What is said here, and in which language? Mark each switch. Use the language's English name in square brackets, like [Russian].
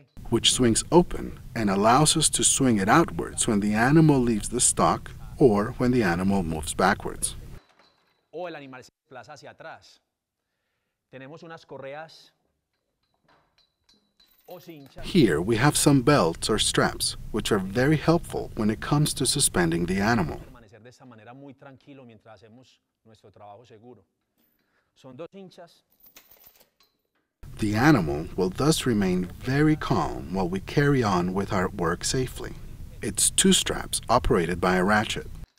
[English] Which swings open and allows us to swing it outwards when the animal leaves the stock, or when the animal moves backwards. [Spanish] O el animal se desplaza hacia atrás. Tenemos unas correas o cinchas. [English] Here we have some belts or straps, which are very helpful when it comes to suspending the animal. [Spanish] Permanecer de esta manera muy tranquilo mientras hacemos nuestro trabajo seguro. Son dos cinchas. [English] The animal will thus remain very calm while we carry on with our work safely. It's two straps operated by a ratchet.